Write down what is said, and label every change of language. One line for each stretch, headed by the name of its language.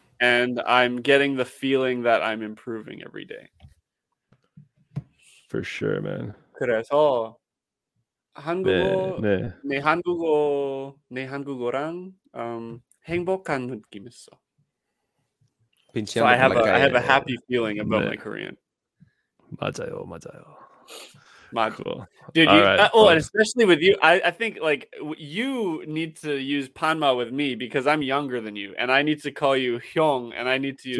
English: And I'm getting the feeling that I'm improving every day. For sure, man.
Korean: 그래서 내 한국어랑 행복한 느낌 있어.
English: So I have a happy feeling about my Korean.
Korean: 맞아요.
English: Cool. Dude, and especially with you, I think like you need to use Panma with me because I'm younger than you, and I need to call you Hyung, and I need to use